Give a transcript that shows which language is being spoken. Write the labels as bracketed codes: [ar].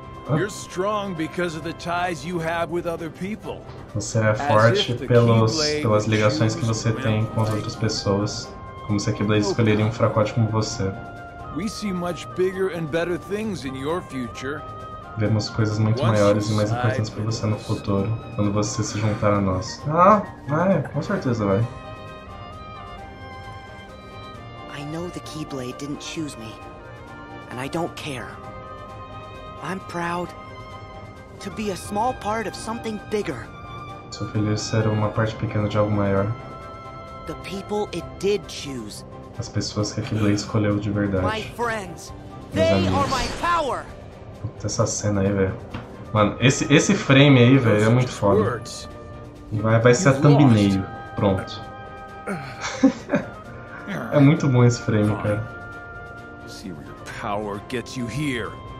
[en] You're strong because of the ties you have with other people. [pt] Você é forte pelas ligações que você tem com as outras pessoas. Como se a Keyblade escolheria um fracote como você. [en] We see much bigger and better things in your future. [pt] Vemos coisas muito maiores e mais importantes para você no futuro, quando você se juntar a nós. Ah, vai, com certeza vai. [en] I know the Keyblade didn't choose me, and I don't care. I'm proud to be a small part of something bigger. [pt] Sou feliz de ser uma parte pequena de algo maior. [en] The people it did choose. [pt] As pessoas que a Keyblade escolheu de verdade. [en] My friends, they are my power. [pt] Puta, essa cena aí, velho. Mano, esse frame aí, velho, é muito foda. E vai ser a thumbnail. Pronto. É muito bom esse frame, cara. [en] See where your power gets you here.